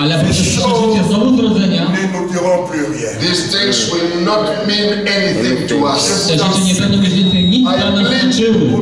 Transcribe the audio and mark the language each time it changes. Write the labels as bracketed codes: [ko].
[pl] ale poprzez przeżycie znowu zrodzenia, [en] these things will not mean anything to us. [pl] Te rzeczy nie będą już więcej nic dla nas znaczyły.